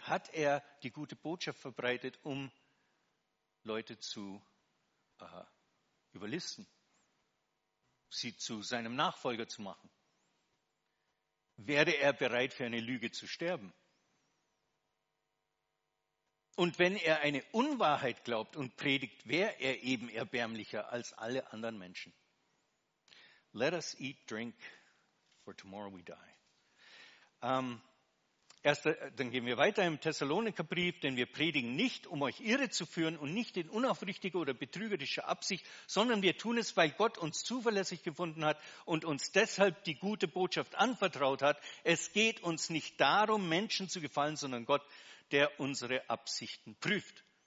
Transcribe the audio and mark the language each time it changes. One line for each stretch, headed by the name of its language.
German: Hat er die gute Botschaft verbreitet, um Leute zu überlisten, sie zu seinem Nachfolger zu machen? Wäre er bereit, für eine Lüge zu sterben? Und wenn er eine Unwahrheit glaubt und predigt, wäre er eben erbärmlicher als alle anderen Menschen?
English: Let us eat, drink, for tomorrow we die.
German: Dann gehen wir weiter im Thessalonikerbrief, denn wir predigen nicht, um euch irre zu führen und nicht in unaufrichtiger oder betrügerischer Absicht, sondern wir tun es, weil Gott uns zuverlässig gefunden hat und uns deshalb die gute Botschaft anvertraut hat. Es geht uns nicht darum, Menschen zu gefallen, sondern Gott, der unsere Absichten prüft.